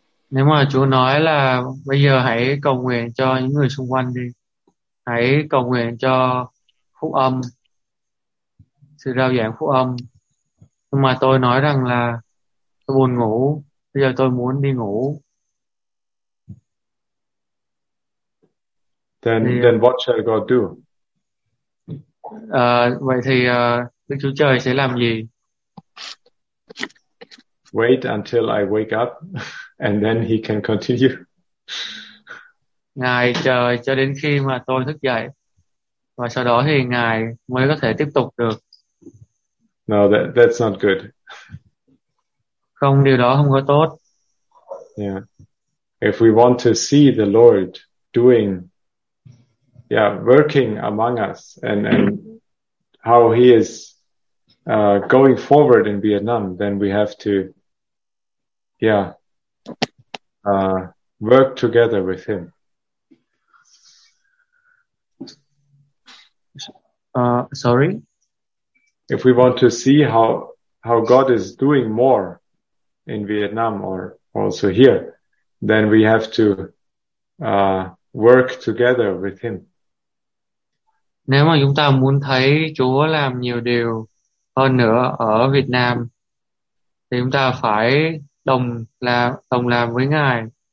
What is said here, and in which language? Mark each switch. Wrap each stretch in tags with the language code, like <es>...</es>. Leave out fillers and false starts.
<vi>Nếu mà Chúa nói là bây giờ hãy cầu nguyện cho những người xung quanh đi, hãy cầu nguyện cho phúc âm, sự rao giảng phúc âm, nhưng mà tôi nói rằng là tôi buồn ngủ, bây giờ tôi muốn đi ngủ,</vi> <en>Then what shall God do?</en> <vi>vậy thì Đức Chúa Trời sẽ làm gì?</vi> <en>Wait until I wake up and then he can continue.</en> <vi>Ngài chờ cho đến khi mà tôi thức dậy và sau đó thì Ngài mới có thể tiếp tục được.</vi> <en>That's not good.</en> <vi>Không, điều đó không có tốt.</vi> <en>If we want to see the Lord doing working among us and how he is going forward in Vietnam, then we have to work together with him. Sorry. If we want to see how God is doing more in Vietnam or also here, then we have to work together with him.</en> <vi>Nếu mà chúng ta muốn thấy Chúa làm nhiều điều hơn nữa ở Việt Nam thì chúng ta phải đồng làm với Ngài.</vi>